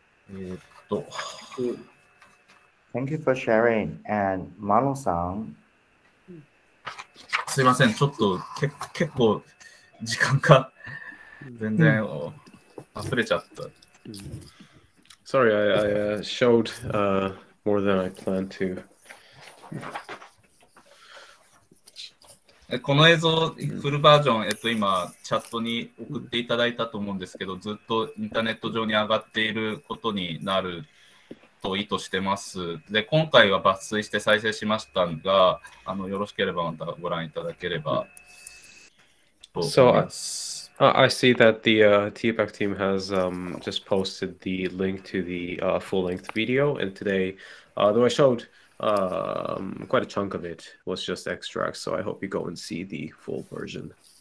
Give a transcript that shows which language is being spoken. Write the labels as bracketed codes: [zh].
[en] Thank you for sharing. And Mano-san. [ja] すいません、ちょっと結構時間が全然忘れちゃった。 [en] Sorry, I showed more than I planned to. [ja] この映像フルバージョン、今チャットに送っていただいたと思うんですけど、ずっとインターネット上に上がっていることになると意図してます。で、今回は抜粋して再生しましたが、よろしければまたご覧いただければと思います。 [en] So,I see that the TPAC team has just posted the link to the full-length video, and today, though I showed quite a chunk of it, was just extracts, so I hope you go and see the full version.